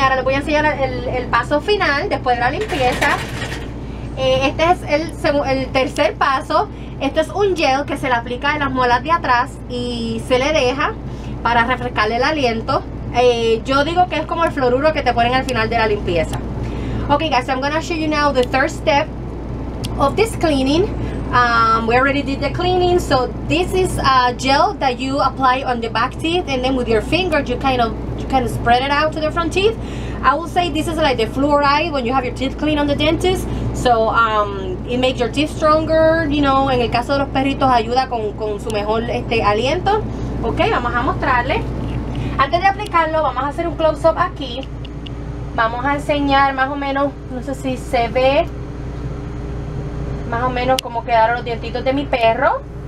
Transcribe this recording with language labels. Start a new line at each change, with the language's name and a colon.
Spanish: Ahora les voy a enseñar el paso final después de la limpieza. Este es el tercer paso. Este es un gel que se le aplica en las muelas de atrás y se le deja para refrescarle el aliento. Yo digo que es como el fluoruro que te ponen al final de la limpieza.
English: Okay, guys, so I'm gonna show you now the third step of this cleaning. We already did the cleaning, so this is a gel that you apply on the back teeth, and then with your finger you kind of spread it out to the front teeth. I will say this is like the fluoride when you have your teeth clean on the dentist, so it makes your teeth stronger, you know.
Spanish: En el caso de los perritos, ayuda con su mejor aliento. Okay, vamos a mostrarle. Antes de aplicarlo, vamos a hacer un close up aquí. Vamos a enseñar más o menos, no sé si se ve más o menos como quedaron los dientitos de mi perro.